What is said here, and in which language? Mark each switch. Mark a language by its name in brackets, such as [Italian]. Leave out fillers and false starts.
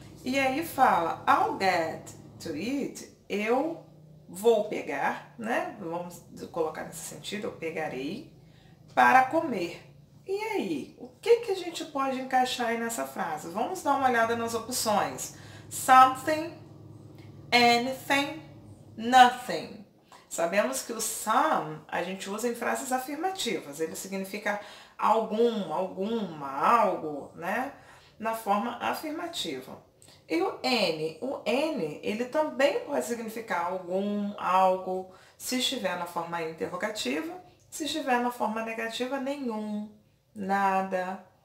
[Portuguese] E aí fala: [English] I'll get to eat. [Portuguese] Eu vou pegar, né? Vamos colocar nesse sentido, eu pegarei para comer. E aí, o que que a gente pode encaixar aí nessa frase? Vamos dar uma olhada nas opções. [English] Something, anything, nothing. [Portuguese] Sabemos que o some a gente usa em frases afirmativas. Ele significa algum, alguma, algo, né? Na forma afirmativa. E o N, ele também pode significar algum, algo, se estiver na forma interrogativa, se estiver na forma negativa, nenhum, nada.